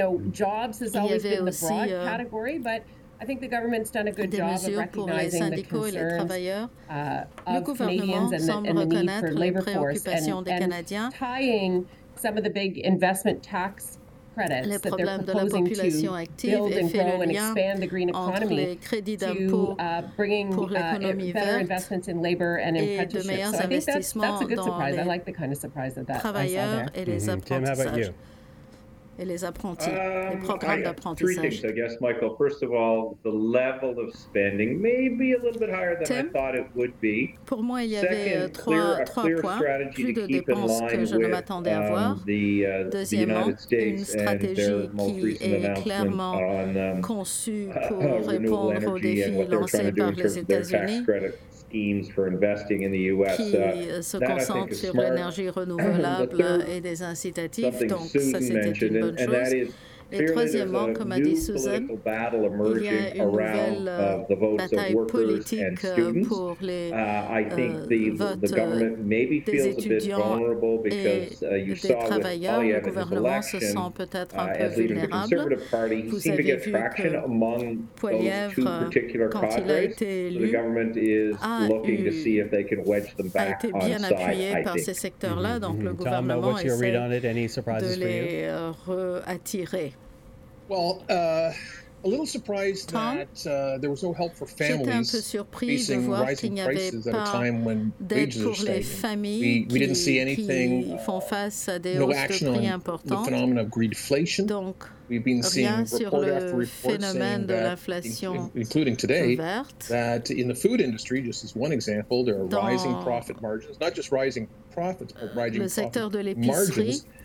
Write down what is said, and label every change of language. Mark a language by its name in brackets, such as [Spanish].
[English] Jobs has always been the broad category, but I think the government's done a good job of recognizing the concerns of Canadians and the need for labor force and tying some of the big investment tax credits that they're proposing to build and grow and expand the green economy to bringing better investments in labor and apprenticeships. So I think that's a good surprise. I like the kind of surprise that I saw there. Mm-hmm. Tim, how about you? [French] Et les apprentis, les programmes d'apprentissage. [English] Three things, I guess, Michael. First of all, the level of spending may be a little bit higher than Tim, I thought it would be. [French] Pour moi, il y [English] Second, [French] avait trois points, plus de dépenses que je ne m'attendais à voir. Deuxièmement, une stratégie qui est clairement conçue pour répondre aux défis lancés par les États-Unis. [English] Schemes for investing in the U.S. [French] Concentre sur l'énergie renouvelable et des incitatifs, donc ça c'était une bonne chose. Et troisièmement, comme a dit Susan, il y a une nouvelle bataille politique pour les votes des étudiants et des travailleurs. Le gouvernement se sent peut-être un peu vulnérable. Vous avez vu que Poilievre, quand il a été élu, a été bien appuyé par ces secteurs-là, donc le gouvernement essaie de les réattirer. [English] Well, a little surprised that there was no help for families facing rising prices at a time when wages are stagnant. We didn't see anything, no action on the phenomenon of greedflation. [French] Donc, [English] we've been seeing report after report saying that, including today, that in the food industry, just as one example, there are rising profit margins, not just rising profits, but rising profit margins.